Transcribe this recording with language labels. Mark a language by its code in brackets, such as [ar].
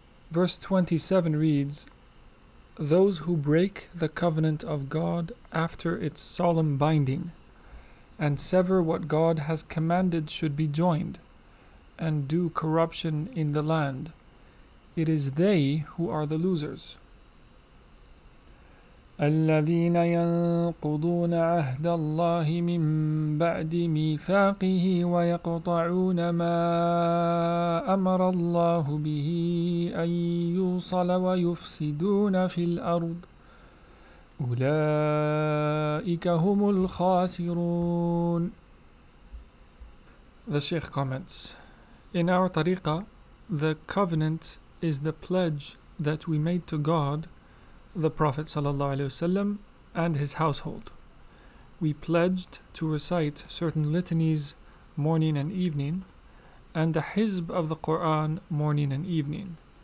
[en] Verse 27 reads, "Those who break the covenant of God after its solemn binding, and sever what God has commanded should be joined, and do corruption in the land, it is they who are the losers." [ar] الذين ينقضون عهد الله من بعد ميثاقه ويقطعون ما أمر الله به أن يوصل ويفسدون في الأرض أُولَٰئِكَ هُمُ الْخَاسِرُونَ. [en] The Shaykh comments, "In our tariqa, the covenant is the pledge that we made to God, the Prophet sallallahu alaihi wasallam, and his household. We pledged to recite certain litanies morning and evening, and a hizb of the Quran morning and evening.